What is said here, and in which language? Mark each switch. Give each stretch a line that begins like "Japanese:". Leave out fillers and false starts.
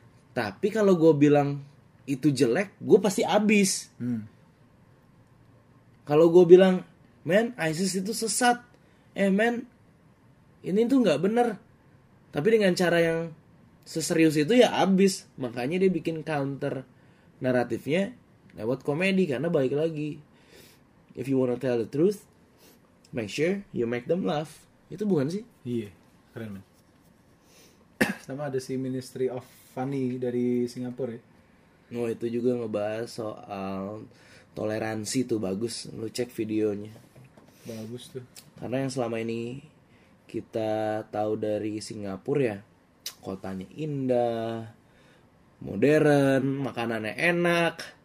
Indonesian: Tapi kalau gue bilang itu jelek, gue pasti abis. Kalau gue bilang, "Man, ISIS itu sesat. Eh, man, ini tuh gak bener." Tapi dengan cara yang seserius itu ya abis. Makanya dia bikin counter naratifnya lewat komedi. Karena balik lagi,
English: if you wanna tell the truth, make sure you make them laugh.
Indonesian: Itu bukan sih? Iya, keren, man. Sama ada si Ministry of Funny dari Singapura ya. Oh, itu juga ngebahas soal toleransi tuh, bagus. Lu cek videonya. Bagus tuh. Karena yang selama ini kita tahu dari Singapura ya, kotanya indah, modern, makanannya enak.